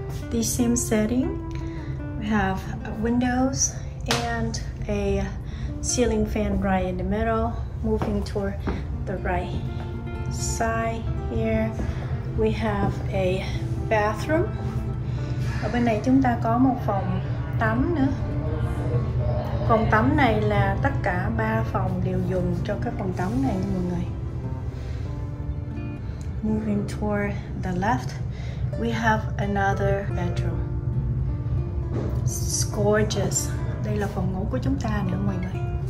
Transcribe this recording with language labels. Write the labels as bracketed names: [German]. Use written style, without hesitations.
[English] The same setting. We have windows and a ceiling fan right in the middle. Moving toward the right side here, we have a bathroom. [Vietnamese] Ở bên này chúng ta có một phòng tắm nữa. Phòng tắm này là tất cả ba phòng đều dùng cho cái phòng tắm này nha mọi người. [English] moving toward the left, we have another bedroom. It's gorgeous. [Vietnamese] Đây là phòng ngủ của chúng ta nữa mọi người.